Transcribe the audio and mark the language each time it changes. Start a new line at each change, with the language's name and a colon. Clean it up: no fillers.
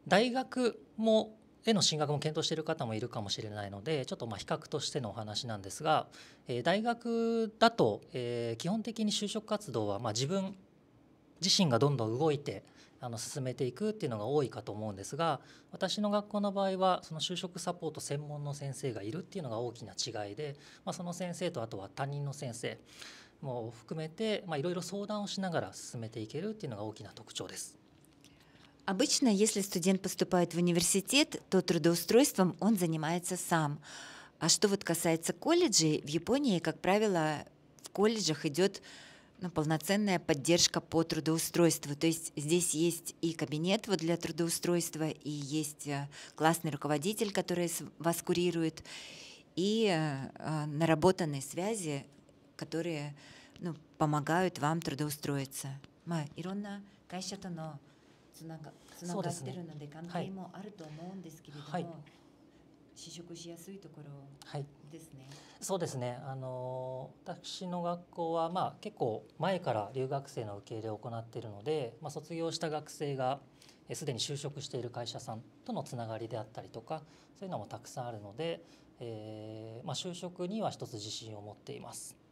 Japanese: の進学も検討している方もいるかもしれないので、ちょっとまあ比較としてのお話なんですが、大学だと基本的に就職活動はまあ自分自身がどんどん動いて進めていくっていうのが多いかと思うんですが、私の学校の場合はその就職サポート専門の先生がいるっていうのが大きな違いで、まあ、その先生とあとは担任の先生も含めていろいろ相談をしながら進めていけるっていうのが大きな特徴です。
Russian: Обычно, если студент поступает в университет, то трудоустройством он занимается сам. А что вот касается колледжей, в Японии, как правило, в колледжах идет полноценная поддержка по трудоустройству. То есть здесь есть и кабинет вот для трудоустройства, и есть классный руководитель, который вас курирует, и наработанные связи, которые помогают вам трудоустроиться.
Japanese: Ма, иронна кайшата, но... つながってるので関係もあると思うんですけれども、はい、就職しやすいところですね、はい、そうですね、私の学校は、まあ、結構前から留学生の受け入れを行っているので、まあ、卒業した学生がすでに就職している会社さんとのつながりであったりとか、そういうのもたくさんあるので、就職には一つ自信を持っています。